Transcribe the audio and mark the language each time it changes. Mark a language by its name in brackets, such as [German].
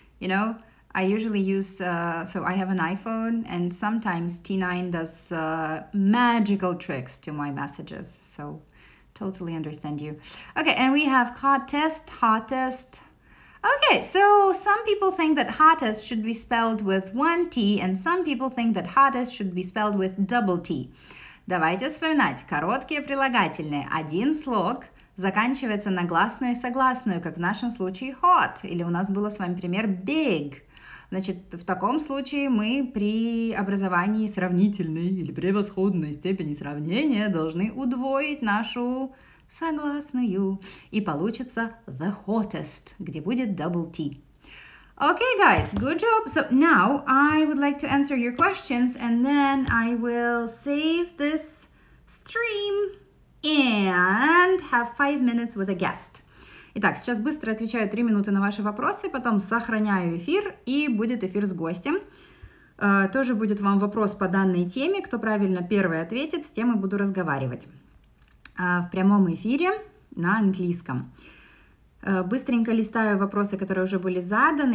[English] You know, I usually use, so I have an iPhone, and sometimes T9 does magical tricks to my messages. So totally understand you. Okay, and we have hottest. Okay, so some people think that hottest should be spelled with one T, and some people think that hottest should be spelled with double T. [Russian] Давайте вспоминать. Короткие прилагательные. Один слог. Заканчивается на гласную и согласную, как в нашем случае hot, или у нас было с вами пример big. Значит, в таком случае мы при образовании сравнительной или превосходной степени сравнения должны удвоить нашу согласную, и получится the hottest, где будет double T. [English] Okay, guys, good job. So now I would like to answer your questions, and then I will save this stream. And have 5 minutes with a guest. [Russian] Итак, сейчас быстро отвечаю 3 минуты на ваши вопросы, потом сохраняю эфир, и будет эфир с гостем. Тоже будет вам вопрос по данной теме. Кто правильно первый ответит, с тем и буду разговаривать. В прямом эфире на английском. Быстренько листаю вопросы, которые уже были заданы.